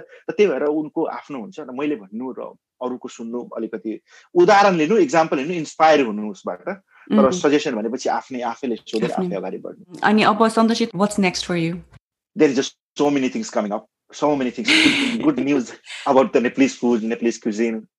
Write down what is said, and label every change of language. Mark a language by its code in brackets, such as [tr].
[ne] त्यही भएर उनको आफ्नो हुन्छ. र मैले भन्नु र अरूको सुन्नु अलिकति उदाहरण लिनु, इक्जाम्पल लिनु, इन्सपायर हुनु उसबाट. तर सजेसन भनेपछि आफ्नै आफैले सोधेर आफै अगाडि बढ्नु. अनि अब [en] सन्तोषित, what's next for you? There is [ne] just [en] So many things coming up, so many things, good news about the Nepalese food, Nepalese cuisine.